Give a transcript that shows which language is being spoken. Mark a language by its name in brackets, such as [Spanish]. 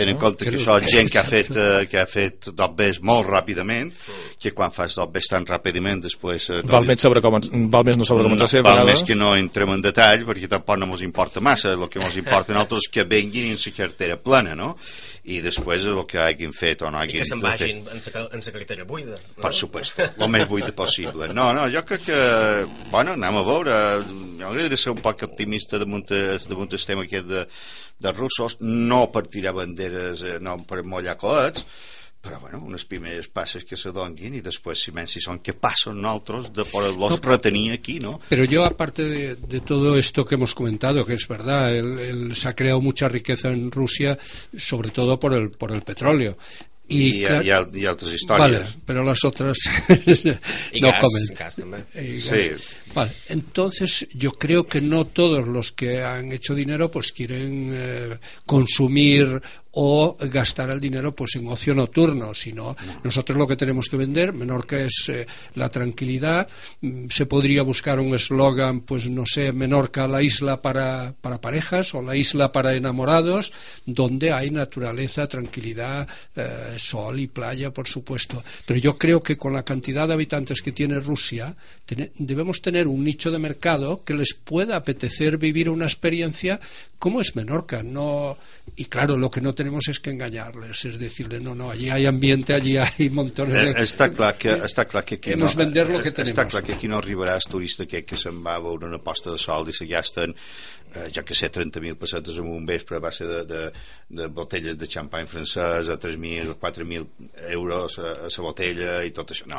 [Catalan] Tenen en compte que això, gent que ha fet dobbes molt ràpidament, que quan fas dobbes tan ràpidament després... Val més no saber com ens ha de ser. Val més que no entrem en detall, perquè tampoc no ens importa massa. El que ens importa a nosaltres és que venguin en la cartera plena, no? I després el que hagin fet o no hagin... I que se'n vagin en la cartera buida. No? Per supuesto, el més buida possible. No, no, jo crec que... Bueno, anem a veure. Jo hauria de ser un poc optimista damunt el tema aquest de russos, no per tirar banderes, no per mollar coets, però bueno, unes primeres passes que s'adonguin i després si menys si són que passen nosaltres de poder-los retenir aquí, no? [Spanish] Però jo, aparte de todo esto que hemos comentado, que es verdad, el se ha creado mucha riqueza en Rusia, sobre todo por el petróleo. [Catalan] I altres històries. Vale, però les altres no gas, [Spanish] comen. [Catalan] Gas, sí. [Spanish] Vale, entonces yo creo que no todos los que han hecho dinero pues quieren consumir o gastar el dinero pues en ocio nocturno, sino nosotros lo que tenemos que vender, Menorca es la tranquilidad. Se podría buscar un eslogan, pues no sé, Menorca la isla para parejas o la isla para enamorados, donde hay naturaleza, tranquilidad, sol y playa, por supuesto. Pero yo creo que con la cantidad de habitantes que tiene Rusia, debemos tener un nicho de mercado que les pueda apetecer vivir una experiencia como es Menorca. No, y claro, lo que no tenemos es que engañarles, es decirle no, allí hay ambiente, allí hay montones de... [Catalan] Está claro que aquí no arribarà el turista que se'n va a veure una posta de sol i se gasten, ja que sé, 30.000 pessetes en un vespre a base de botelles de xampany francès a 3.000, 4.000 euros a la botella i tot això.